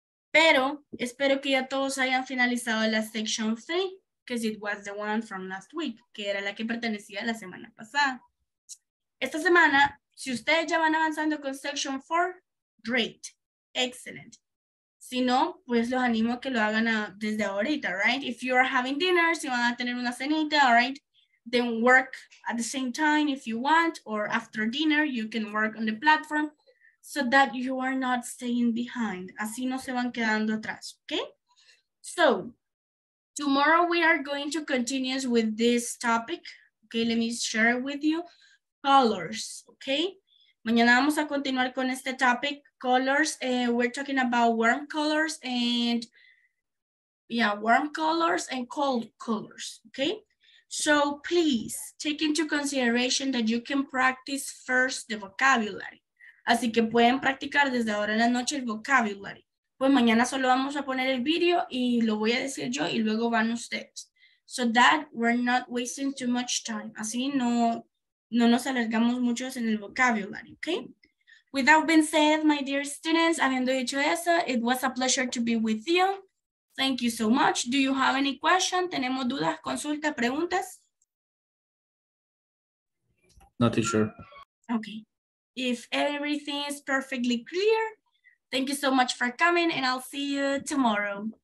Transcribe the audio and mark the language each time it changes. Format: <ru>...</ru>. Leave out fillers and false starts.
<es>Pero espero que ya todos hayan finalizado la section 3,</es> <en>because it was the one from last week,</en> <es>que era la que pertenecía a la semana pasada. Esta semana, si ustedes ya van avanzando con section 4,</es> <en>great, excellent.</en> <es>Si no, pues los animo a que lo hagan desde ahorita, right?</es> <en>If you are having dinner,</en> <es>si van a tener una cenita,</es> <en>all right? Then work at the same time if you want, or after dinner, you can work on the platform so that you are not staying behind.</en> <es>Así no se van quedando atrás,</es> <en>okay? So, tomorrow we are going to continue with this topic. Okay, let me share it with you. Colors, okay?</en> <es>Mañana vamos a continuar con este topic.</es> <en>Colors, we're talking about warm colors and warm colors and cold colors, okay? So please take into consideration that you can practice first the vocabulary.</en> <es>Así que pueden practicar desde ahora en la noche el vocabulary. Pues mañana solo vamos a poner el video y lo voy a decir yo y luego van ustedes.</es> <en>So that we're not wasting too much time.</en> <es>Así no nos alargamos mucho en el vocabulary, okay?</es> <en>Without being said, my dear students,</en> <es>habiendo dicho eso,</es> <en>it was a pleasure to be with you. Thank you so much. Do you have any questions?</en> <es>¿Tenemos dudas, consultas, preguntas?</es> <en>Not too sure. Okay. If everything is perfectly clear, thank you so much for coming and I'll see you tomorrow.</en>